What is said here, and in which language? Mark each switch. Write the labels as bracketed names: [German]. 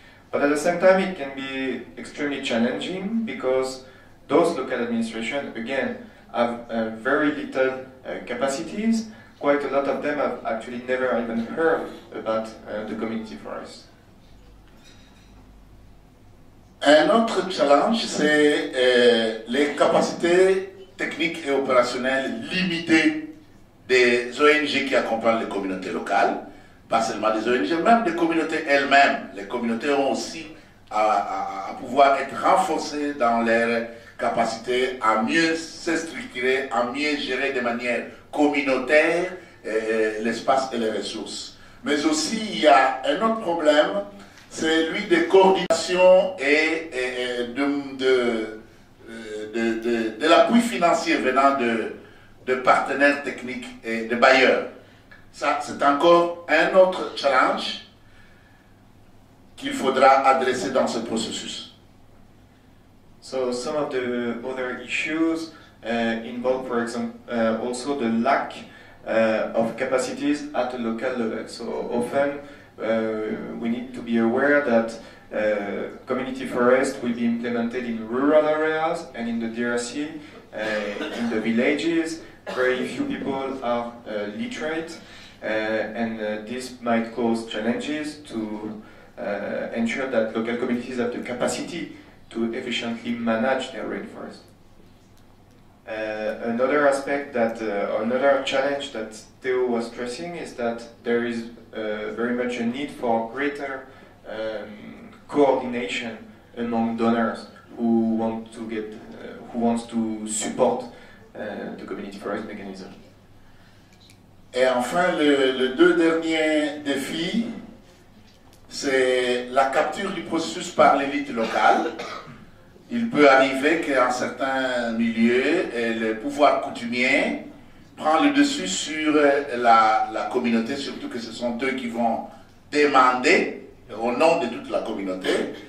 [English] But at the same time, it can be extremely challenging because those local administration, again, have very little capacities. Quite a lot of them have actually never even heard about the community forest. [French] Un autre challenge, c'est les capacités techniques et opérationnelles limitées des ONG qui accompagnent les communautés locales. Pas seulement des ONG, même des communautés elles-mêmes. Les communautés ont aussi à pouvoir être renforcées dans leur capacité à mieux se structurer, à mieux gérer de manière communautaire l'espace et les ressources. Mais aussi, il y a un autre problème, c'est celui des coordinations et de l'appui financier venant de partenaires techniques et de bailleurs. Ça, c'est encore un autre challenge qu'il faudra adresser dans ce processus. [English] So some of the other issues involve, for example, also the lack of capacities at a local level. So often we need to be aware that community forest will be implemented in rural areas and in the DRC, in the villages, very few people are literate. This might cause challenges to ensure that local communities have the capacity to efficiently manage their rainforest. Another aspect that, another challenge that Theo was stressing is that there is very much a need for greater coordination among donors who want to get, who wants to support the community forest mechanism. [French] Et enfin, le deux derniers défis, c'est la capture du processus par l'élite locale. Il peut arriver qu'en certains milieux, le pouvoir coutumier prend le dessus sur la communauté, surtout que ce sont eux qui vont demander au nom de toute la communauté.